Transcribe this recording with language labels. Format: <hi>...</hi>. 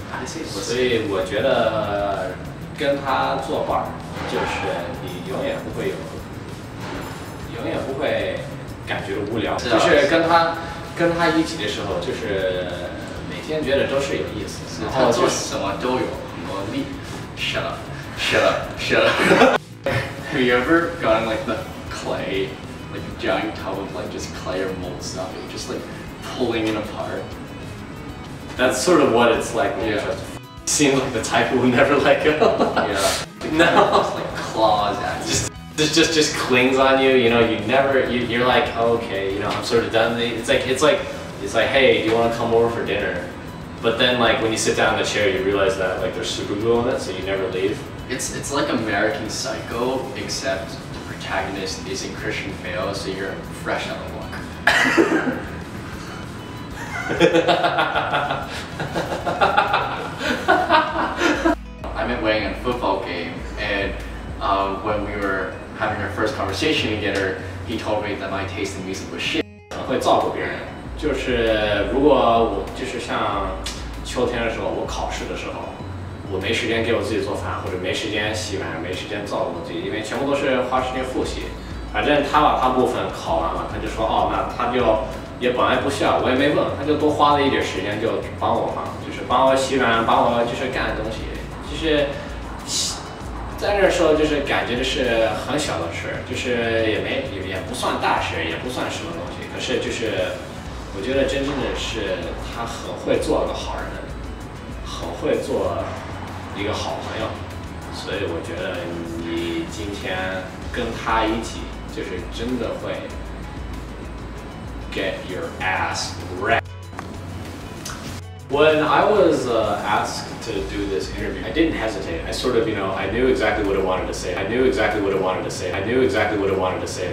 <zh>所以我觉得跟他作伴，就是你永远不会感觉无聊。就是跟他一起的时候，就是每天觉得都是有意思。然后做什么都有魔力。</zh> <en>Shut up. Have you ever gotten like the clay, like a giant tub of like just clay or mold stuff, and just like pulling it apart? That's sort of what it's like when you just seem like the type who will never let go. Yeah. No. It's like claws at you. Just clings on you, you know, you're like, okay, you know, I'm sort of done. It's like, hey, do you want to come over for dinner? But then like when you sit down in the chair, you realize that like there's super glue on it, so you never leave. It's like American Psycho, except the protagonist is in Christian Bale, so you're fresh out of luck. I met Wayne in a football game, and when we were having our first conversation together, he told me that my taste in music was shit.</en> <zh>会照顾别人，就是如果我就是像秋天的时候，我考试的时候，我没时间给我自己做饭，或者没时间洗碗，没时间照顾自己，因为全部都是花时间复习。反正他把他部分考完了，他就说哦，那他就。也本来不需要，我也没问，他就多花了一点时间就帮我嘛，就是帮我洗碗，帮我就是干东西，就是在那时候就是感觉的是很小的事，就是也不算大事，也不算什么东西，可是就是我觉得真正的是他很会做个好人，很会做一个好朋友，所以我觉得你今天跟他一起就是真的会</zh> <en>get your ass wrecked. When I was asked to do this interview, I didn't hesitate. I sort of, you know, I knew exactly what I wanted to say.</en>